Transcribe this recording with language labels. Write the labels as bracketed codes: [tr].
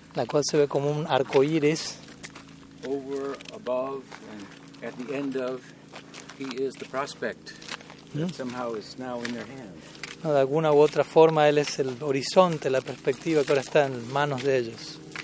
[es] la cual se ve como un arco iris. [en] Over, above, and at the end of, he is the prospect that somehow is now in their hands. [es] No, de alguna u otra forma, él es el horizonte, la perspectiva que ahora está en manos de ellos.